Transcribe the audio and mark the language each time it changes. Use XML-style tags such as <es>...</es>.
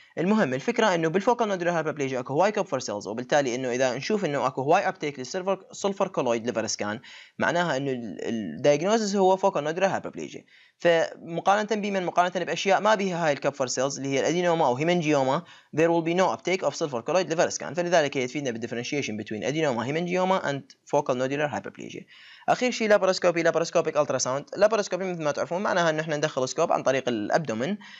<ar>المهم الفكره انه بالفوكال نودولار هايبربليجيا اكو هواي كبفر سيلز، وبالتالي انه اذا نشوف انه اكو هواي ابتيك للسيلفر سلفر كولويد ليفر سكان، معناها انه الدايجنوزس هو فوكال نودولار هايبربليجيا. فمقارنه بمن؟ مقارنه باشياء ما بيها هاي الكبفر سيلز اللي هي الادينوما او هيمنجيوما،</ar> <en>there will be no uptake of sulfur colloid liver scan.</en> <ar>فلذلك هي تفيدنا بال</ar> <en>differentiation between adenoma, hemangioma and focal nodular hyperplasia.</en> <ar>اخير شيء لابروسكوبي، لابروسكوبيك التراساوند. لابروسكوبي مثل ما تعرفون معناها ان احنا ندخل سكوب عن طريق الابدومن.</ar>